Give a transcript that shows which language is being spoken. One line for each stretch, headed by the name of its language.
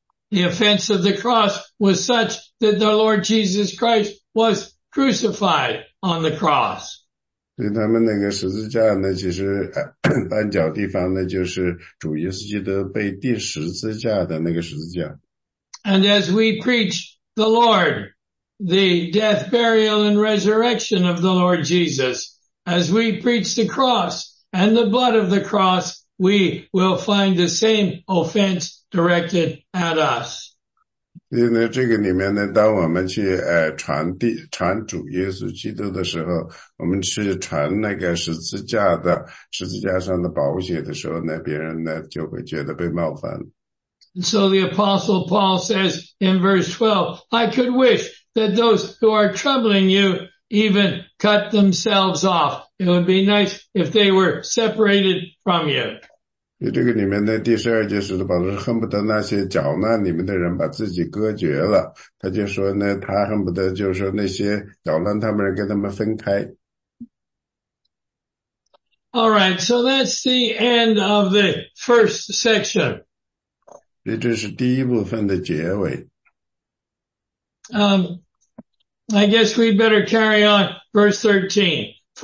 English: The offense of the cross was such that the Lord Jesus Christ was crucified on the cross.
Chinese: 所以他们那个十字架呢，其实绊脚地方呢，就是主耶稣基督被钉十字架的那个十字架。
English: And as we preach the Lord, the death, burial, and resurrection of the Lord Jesus, as we preach the cross and the blood of the cross, we will find the same offense directed at us.
Chinese: 因为这个里面呢，当我们去传主耶稣基督的时候，我们去传那个十字架上的宝血的时候呢，别人呢就会觉得被冒犯。
English: And so the Apostle Paul says in verse 12, I could wish that those who are troubling you even cut themselves off. It would be nice if they were separated from you.
Chinese: 这个里面的第十二节使徒保罗是恨不得那些搅乱你们的人把自己隔绝了。他就说呢，他恨不得就是说那些搅乱他们人跟他们分开。
English: All right, so that's the end of the first section.
Chinese: 这就是第一部分的结尾。
English: I guess we better carry on verse 13.